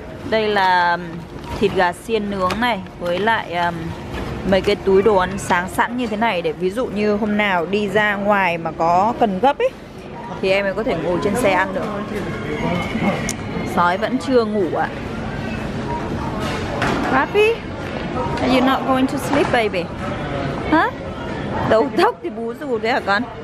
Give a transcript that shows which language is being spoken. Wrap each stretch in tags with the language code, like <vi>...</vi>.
<vi>Đây là thịt gà xiên nướng này, với lại mấy cái túi đồ ăn sáng sẵn như thế này, để ví dụ như hôm nào đi ra ngoài mà có cần gấp ấy thì em ấy có thể ngồi trên xe ăn được. Sói vẫn chưa ngủ ạ.</vi> <en>Rafi, are you not going to sleep baby?</en> <vi>Hả? Đầu tóc thì bú rù thế hả con?</vi>